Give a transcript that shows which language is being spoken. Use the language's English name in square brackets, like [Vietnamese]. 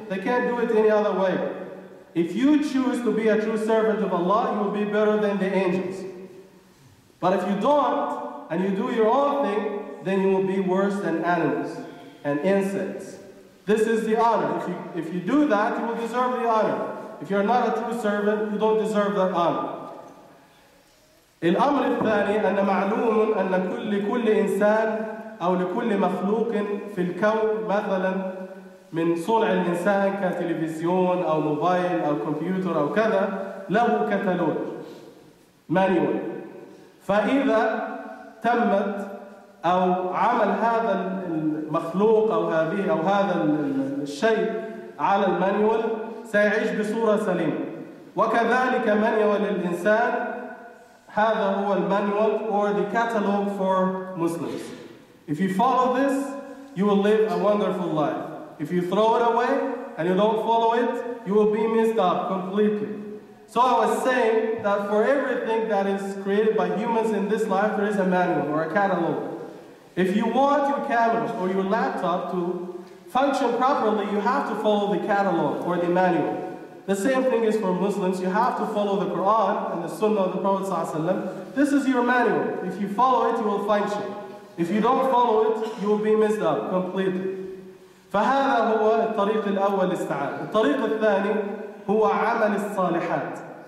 [English] They can't do it any other way. If you choose to be a true servant of Allah, you will be better than the angels. But if you don't, and you do your own thing, then you will be worse than animals and insects. This is the honor. If you do that, you will deserve the honor. If you are not a true servant, you don't deserve that honor. [Arabic] الأمر الثاني أن معلوم أن لكل إنسان أو لكل مخلوق في الكون مثلاً من صنع الإنسان كتلفزيون أو موبايل أو كمبيوتر أو كذا له كتالوج مانيوال. فإذا تمت أو عمل هذا المخلوق أو هذا الشيء على المانيوال سيعيش بصورة سليمة. وكذلك مانيوال الإنسان هذا هو المانيوال [English] or the catalog for Muslims. If you follow this, you will live a wonderful life. If you throw it away and you don't follow it, you will be messed up completely. So I was saying that for everything that is created by humans in this life, there is a manual or a catalog. If you want your camera or your laptop to function properly, you have to follow the catalog or the manual. The same thing is for Muslims. You have to follow the Quran and the Sunnah of the Prophet ﷺ. This is your manual. If you follow it, you will function. If you don't follow it, you will be messed up completely. [Arabic] فهذا هو الطريق الأول للاستعانة. الطريق الثاني هو عمل الصالحات.